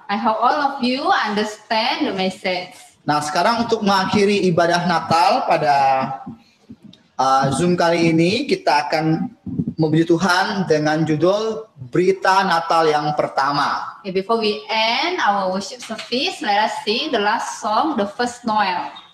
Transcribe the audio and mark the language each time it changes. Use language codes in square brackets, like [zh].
[en] I hope all of you understand the message. [id] Nah, sekarang untuk mengakhiri ibadah Natal pada Zoom kali ini, kita akan memuji Tuhan dengan judul Berita Natal yang Pertama. [en] Okay, before we end our worship service, let us sing the last song, The First Noel.